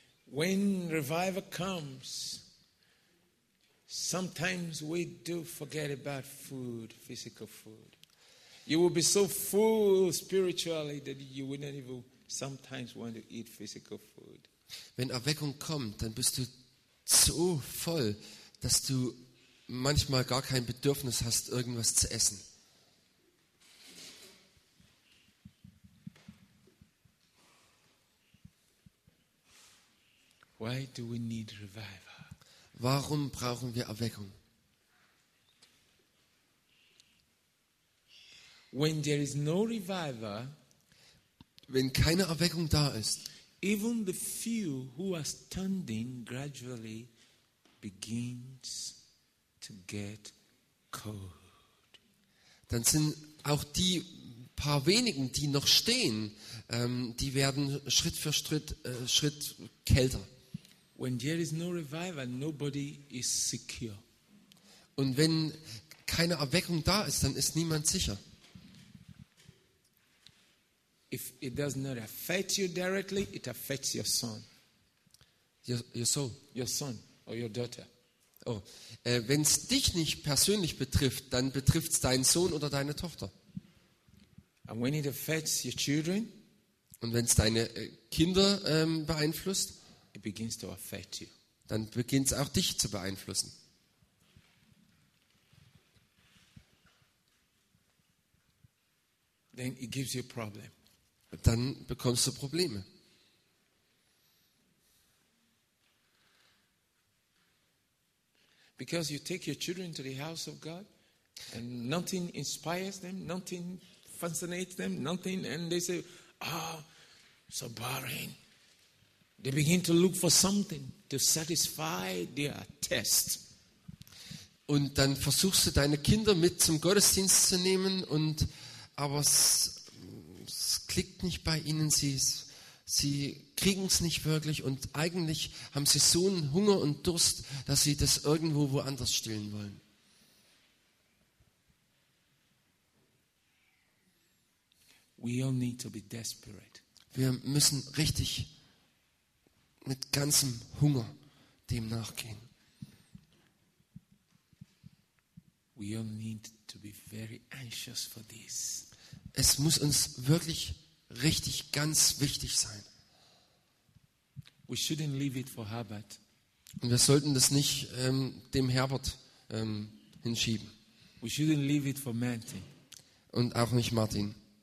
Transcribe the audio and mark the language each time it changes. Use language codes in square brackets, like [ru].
[en] When revival comes, sometimes we do forget about food, physical food. You will be so full spiritually that you will not even sometimes want to eat physical food. [de] Wenn Erweckung kommt, dann bist du so voll, dass du manchmal gar kein Bedürfnis hast, irgendwas zu essen. [en] Why do we need revival? [de] Warum brauchen wir Erweckung? [en] When there is no revival, [de] wenn keine Erweckung da ist, [en] even the few who are standing gradually begins to get cold. [de] Dann sind auch die paar wenigen, die noch stehen, die werden Schritt für Schritt kälter. [en] When there is no revival, nobody is secure. [de] Und wenn keine Erweckung da ist, dann ist niemand sicher. [en] If it does not affect you directly, it affects your son. Your soul. Your son or your daughter. [de] Oh, wenn es dich nicht persönlich betrifft, dann betrifft es deinen Sohn oder deine Tochter. [en] And when it affects your children, [de] Und wenn es deine Kinder beeinflusst, [en] it begins to affect you. [de] Dann beginnt es auch dich zu beeinflussen. [en] Then it gives you a problem. [de] Dann bekommst du Probleme. [en] Because you take your children to the house of God and nothing inspires them, nothing fascinates them, nothing, and they say, oh, so boring. They begin to look for something to satisfy their thirst. [de] Und dann versuchst du deine Kinder mit zum Gottesdienst zu nehmen, und aber es klickt nicht bei ihnen, sie kriegen es nicht wirklich, und eigentlich haben sie so einen Hunger und Durst, dass sie das irgendwo woanders stillen wollen. [en] We all need to be desperate. [de] Wir müssen richtig mit ganzem Hunger dem nachgehen. [en] We all need to be very anxious for this. [de] Es muss uns wirklich richtig ganz wichtig sein. [en] We shouldn't leave it for Herbert. [de] Und wir sollten das nicht dem Herbert hinschieben. [en] We shouldn't leave it for Martin. [de] Und auch nicht Martin.